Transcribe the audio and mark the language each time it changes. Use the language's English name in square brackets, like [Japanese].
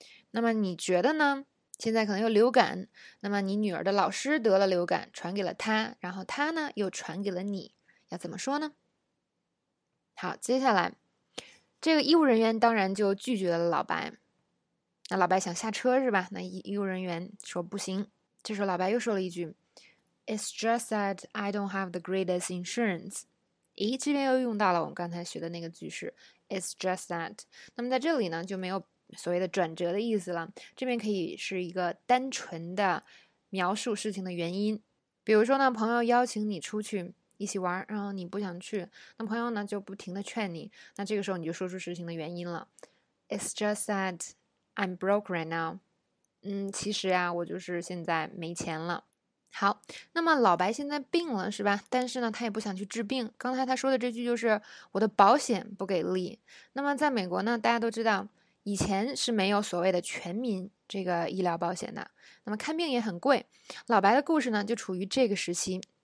[Chinese] 那么你觉得呢？现在可能有流感，那么你女儿的老师得了流感，传给了她，然后她呢又传给了你，要怎么说呢？好，接下来这个医务人员当然就拒绝了老白。那老白想下车是吧？那医务人员说不行。这时候老白又说了一句。 [English] It's just that I don't have the greatest insurance。 [Chinese] 咦，这边又用到了我们刚才学的那个句式。 [English] It's just that。 [Chinese] 那么在这里呢，就没有所谓的转折的意思了。这边可以是一个单纯的描述事情的原因。比如说呢，朋友邀请你出去一起玩，然后你不想去，那朋友呢就不停的劝你。那这个时候你就说出事情的原因了。 [English] It's just that I'm broke right now。 [Chinese] 其实呀，我就是现在没钱了。好，那么老白现在病了是吧？但是呢，他也不想去治病。刚才他说的这句就是我的保险不给力。那么在美国呢，大家都知道，以前是没有所谓的全民这个医疗保险的。那么看病也很贵。老白的故事呢，就处于这个时期。